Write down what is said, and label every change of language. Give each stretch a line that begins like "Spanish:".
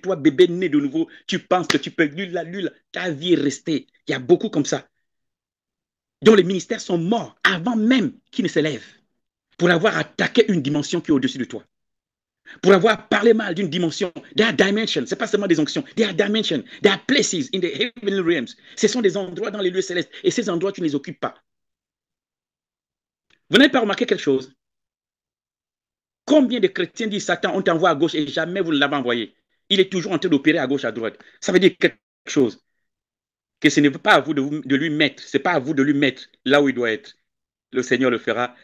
French: Toi, bébé né de nouveau, tu penses que tu peux... Lula, ta vie est restée. Il y a beaucoup comme ça, dont les ministères sont morts avant même qu'ils ne s'élèvent, pour avoir attaqué une dimension qui est au-dessus de toi, pour avoir parlé mal d'une dimension.
English: There are dimensions,
French: ce n'est pas seulement des onctions.
English: There are dimensions, there are places in the heavenly realms.
French: Ce sont des endroits dans les lieux célestes, et ces endroits, tu ne les occupes pas. Vous n'avez pas remarqué quelque chose? Combien de chrétiens disent, Satan, on t'envoie à gauche et jamais vous ne l'avez envoyé. Il est toujours en train d'opérer à gauche, à droite. Ça veut dire quelque chose. Que ce n'est pas à vous de lui mettre, ce n'est pas à vous de lui mettre là où il doit être. Le Seigneur le fera.